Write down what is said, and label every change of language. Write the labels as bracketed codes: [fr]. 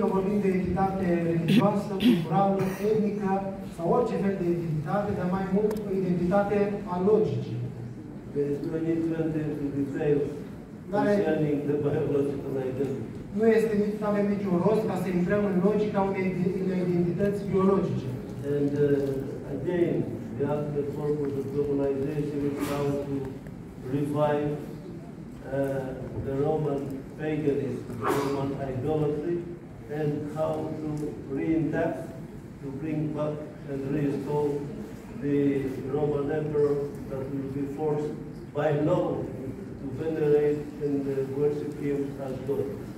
[ro] Fie că vorbim de identitate religioasă, culturală, etnică, sau orice fel de identitate, dar mai mult cu identitate a logicii. [en] There is no need to enter into details concerning the biological identity. [ro] Nu este nici să avem niciun rost ca să intrăm în logica unei identități biologice. [en] And again, the ultimate purpose of globalization is how to revive the Roman paganism, the Roman idolatry, and how to reinduct, to bring back and restore the Roman emperor that will be forced by law to venerate and worship him as God.